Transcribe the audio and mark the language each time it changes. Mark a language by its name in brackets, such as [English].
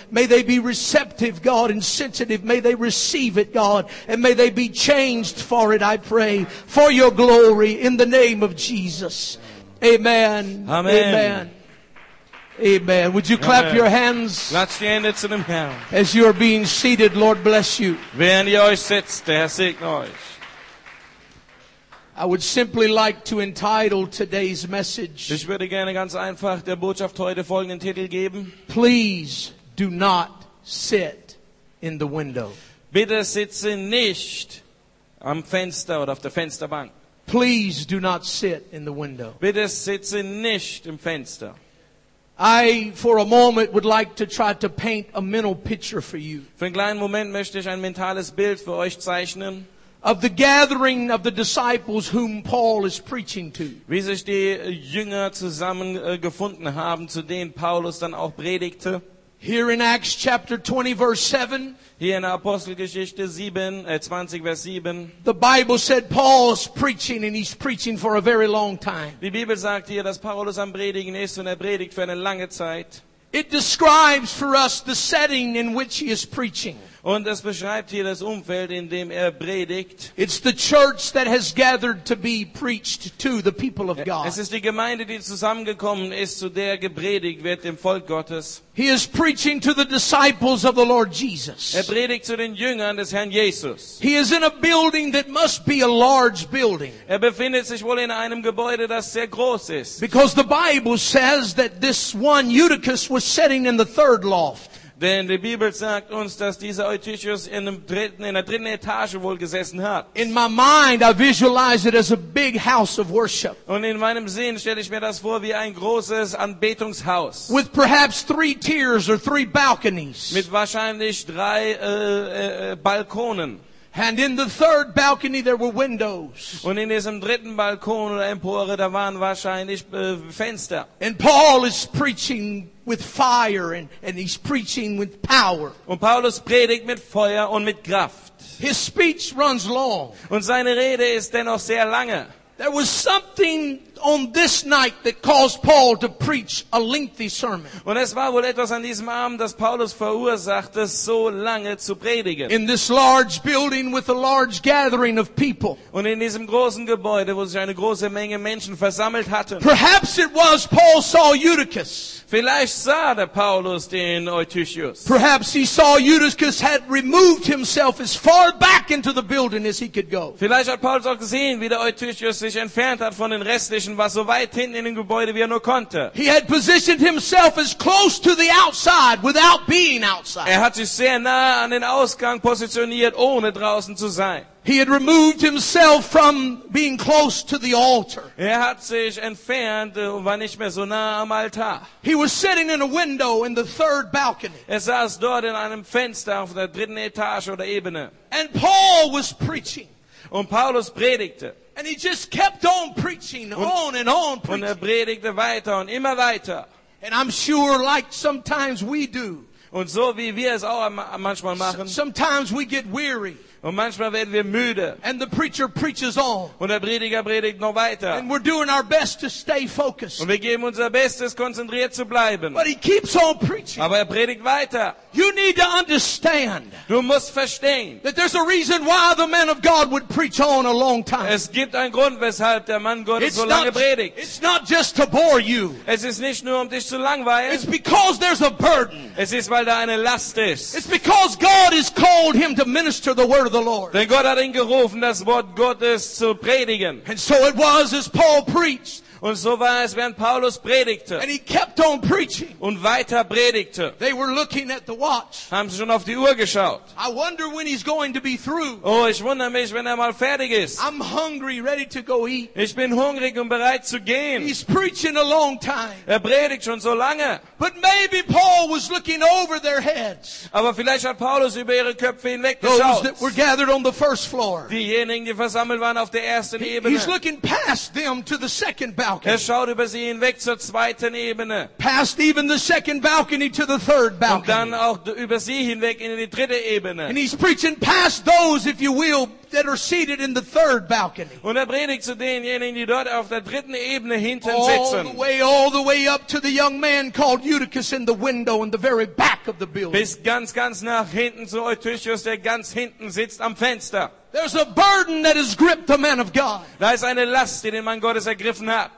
[English] May they be receptive, God, and sensitive. May they receive it, God, and may they be changed for it, I pray, for your glory in the name of Jesus. Amen. Amen. Amen. Amen. Would you clap Amen. Your hands? As you are being seated, Lord bless you. [German] Wenn ihr euch sitzt, der Herr segne euch. [English] I would simply like to entitle today's message. [German] Ich würde gerne ganz einfach der Botschaft heute folgenden Titel geben. [English] Please do not sit in the window. [German] Bitte sitze nicht am Fenster oder auf der Fensterbank. [English] Please do not sit in the window. [German] Bitte sitze nicht im Fenster. [English] I, for a moment, would like to try to paint a mental picture for you. [German] Für einen kleinen Moment möchte ich ein mentales Bild für euch zeichnen. [English] Of the gathering of the disciples whom Paul is preaching to. [German] Wie sich die Jünger zusammengefunden haben, zu denen Paulus dann auch predigte. [English] Here in Acts chapter 20 verse 7. [German] Hier in Apostelgeschichte 7, 20 Vers 7. [English] The Bible said Paul's preaching and he's preaching for a very long time. [German] Die Bibel sagt hier, dass Paulus am Predigen ist und er predigt für eine lange Zeit. [English] It describes for us the setting in which he is preaching. [German] Und es beschreibt hier das Umfeld, in dem er predigt. [English] It's the church that has gathered to be preached to, the people of God. [German] Es ist die Gemeinde, die zusammengekommen ist, zu der gepredigt wird, dem Volk Gottes. [English] He is preaching to the disciples of the Lord Jesus. [German] Er predigt zu den Jüngern des Herrn Jesus. [English] He is in a building that must be a large building. [German] Er befindet sich wohl in einem Gebäude, das sehr groß ist. [English] Because the Bible says that this one Eutychus was sitting in the third loft. [German] Denn die Bibel sagt uns, dass dieser Eutychus in der dritten Etage wohl gesessen hat. [English] In my mind, I visualize it as a big house of worship. [German] Und in meinem Sinn stelle ich mir das vor wie ein großes Anbetungshaus. [English] With perhaps three tiers or three balconies. [German] Mit wahrscheinlich drei Balkonen. [English] And in the third balcony there were windows. [German] Und in diesem dritten Balkon oder Empore, da waren wahrscheinlich Fenster. [English] And Paul is preaching with fire and he's preaching with power. [German] Und Paulus predigt mit Feuer und mit Kraft. [English] His speech runs long. [German] Und seine Rede ist dennoch sehr lange. [English] There was something on this night that caused Paul to preach a lengthy sermon. [German] Und es war wohl etwas an diesem Abend, das Paulus verursachte, so lange zu predigen. [English] In this large building with a large gathering of people. [German] Und in diesem großen Gebäude, wo sich eine große Menge Menschen versammelt hatten. [English] Perhaps it was Paul saw Eutychus. [German] Vielleicht sah der Paulus den Eutychus. [English] Perhaps he saw Eutychus had removed himself as far back into the building as he could go. [German] Vielleicht hat Paulus auch gesehen, wie der Eutychus sich entfernt hat von den Resten. War so weit hinten in dem Gebäude, wie er nur konnte. [English] He had positioned himself as close to the outside without being outside. [German] Er hat sich sehr nah an den Ausgang positioniert, ohne draußen zu sein. [English] He had removed himself from being close to the altar. [German] Er hat sich entfernt und war nicht mehr so nah am Altar. [English] He was sitting in a window in the third balcony. [German] Er saß dort in einem Fenster auf der dritten Etage oder Ebene. [English] And Paul was preaching. [German] Und Paulus predigte. [English] And he just kept on preaching, on and on preaching. [German] Und er predigte weiter und immer weiter. [English] And I'm sure like sometimes we do. [German] Und so wie wir es auch manchmal machen. [English] Sometimes we get weary. [German] Und manchmal werden wir müde. [English] And the preacher preaches on. [German] Und der Prediger predigt noch weiter. [English] And we're doing our best to stay focused. [German] Und wir geben unser Bestes, konzentriert zu bleiben. [English] But he keeps on preaching. [German] Aber er predigt weiter. [English] You need to understand. [German] Du musst verstehen. [English] That there's a reason why the man of God would preach on a long time. [German] Es gibt einen Grund, weshalb der Mann Gottes so lange predigt. [English] It's not just to bore you. [German] Es ist nicht nur, um dich zu langweilen. [English] It's because there's a burden. [German] Es ist, weil da eine Last ist. [English] It's because God has called him to minister the word of the Lord. [German] Denn Gott hat ihn gerufen, das Wort Gottes zu predigen. [English] And so it was as Paul preached. [German] Und so war es, während Paulus predigte. [English] And he kept on preaching. [German] Und weiter predigte. [English] They were looking at the watch. [German] Haben sie schon auf die Uhr geschaut. [English] I wonder when he's going to be through. [German] Oh, ich wundere mich, wenn mal fertig ist. [English] I'm hungry, ready to go eat. [German] Ich bin hungrig und bereit zu gehen. [English] He's preaching a long time. [German] Er predigt schon so lange. [English] But maybe Paul was looking over their heads. [German] Aber vielleicht hat Paulus über ihre Köpfe hinweg geschaut. [English] Those that were gathered on the first floor. [German] Diejenigen, die versammelt waren auf der ersten Ebene. [English] He's looking past them to the second balcony. [German] Er schaut über sie hinweg zur zweiten Ebene. [English] Past even the second balcony to the third balcony. [German] Und dann auch über sie hinweg in die dritte Ebene. [English] And he's preaching past those, if you will, that are seated in the third balcony. [German] Und er predigt zu denjenigen, die dort auf der dritten Ebene hinten sitzen. [English] All the way up to the young man called Eutychus in the window in the very back of the building. [German] Bis ganz nach hinten zu Eutychus, der ganz hinten sitzt am Fenster. [English] There's a burden that has gripped the man of God. [German] Da ist eine Last, die den Mann Gottes ergriffen hat.